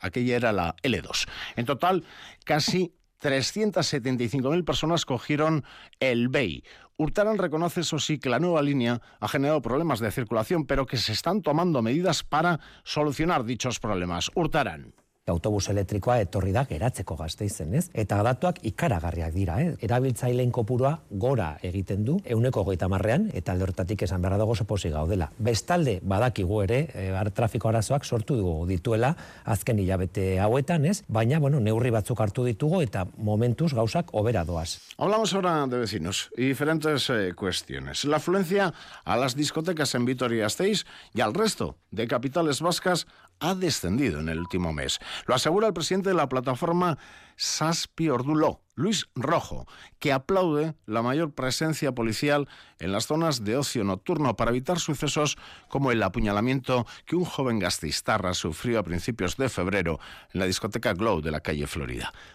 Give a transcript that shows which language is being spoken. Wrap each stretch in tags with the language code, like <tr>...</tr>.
<es>Aquella era la L2. En total, casi 375.000 personas cogieron el BEI. Urtaran reconoce, eso sí, que la nueva línea ha generado problemas de circulación, pero que se están tomando medidas para solucionar dichos problemas. Urtaran.</es> <eu>Autobus elektrikoa etorri da geratzeko Gasteizen, ez? Eta datuak ikaragarriak dira, eh? Erabiltzaileen kopurua gora egiten du, 130%, eta alde horretatik esan behar dago oso posi gaudela. Bestalde, badakigu ere, trafiko arazoak sortu dugu dituela azken hilabete hauetan, ez? Baina, bueno, neurri batzuk hartu ditugu eta momentuz gauzak hobera doaz.</eu> <es>Hablamos ahora de vecinos y diferentes cuestiones. La afluencia a las discotecas en Vitoria-Gasteiz y al resto de capitales vascas ha descendido en el último mes. Lo asegura el presidente de la plataforma Saspi Orduló, Luis Rojo, que aplaude la mayor presencia policial en las zonas de ocio nocturno para evitar sucesos como el apuñalamiento que un joven gasteiztarra sufrió a principios de febrero en la discoteca Glow de la calle Florida.</es>